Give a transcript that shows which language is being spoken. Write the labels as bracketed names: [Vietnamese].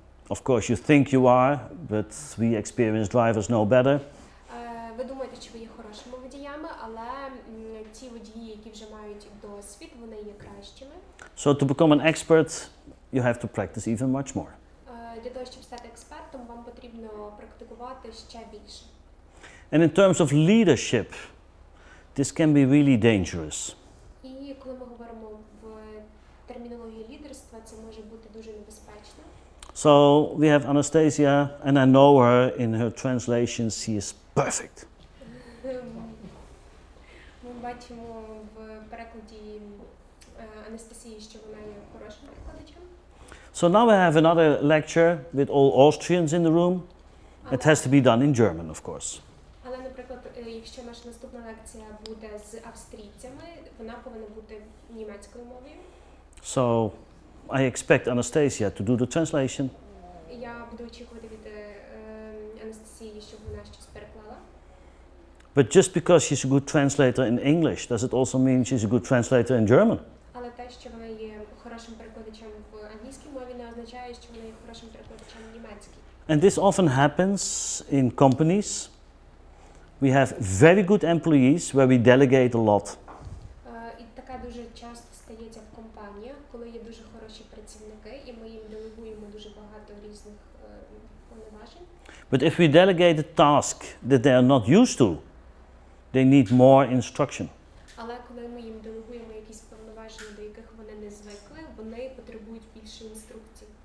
[English] Of course, you think you are, but we experienced drivers know better. [Ukrainian] Ви думаєте, що ви є хорошими водіями, але ті водії, які вже мають досвід, вони є кращими. [English] So to become an expert, you have to practice even much more. [Ukrainian] Для того, щоб стати експертом, вам потрібно практикувати ще більше. [English] And in terms of leadership, this can be really dangerous. [Ukrainian] І коли ми говоримо в термінології лідерства, це може бути дуже небезпечно. [English] So we have Anastasia, and I know her in her translations, she is perfect. [Ukrainian] Ми бачимо в перекладі Анастасії, що вона є хорошим перекладачем. [English] So now we have another lecture with all Austrians in the room. It has to be done in German, of course. [Ukrainian] Але, наприклад, якщо наша наступна лекція буде з австрійцями, вона повинна бути німецькою мовою. [English] So I expect Anastasia to do the translation. [Ukrainian] Я буду очікувати від Анастасії, щоб вона щось переклала. [English] But just because she's a good translator in English, does it also mean she's a good translator in German? [Ukrainian] Але те, що вона є хорошим перекладачем в англійській мові, не означає, що вона є хорошим перекладачем в німецькій. [English] And this often happens in companies. We have very good employees where we delegate a lot. [Ukrainian] І така дуже часто стається в компаніях, коли є дуже хороші працівники, і ми їм делегуємо дуже багато різних повноважень. [English] But if we delegate a task that they are not used to, they need more instruction. [Ukrainian] Але коли ми їм делегуємо якісь повноваження, до яких вони не звикли, вони потребують більше інструкції.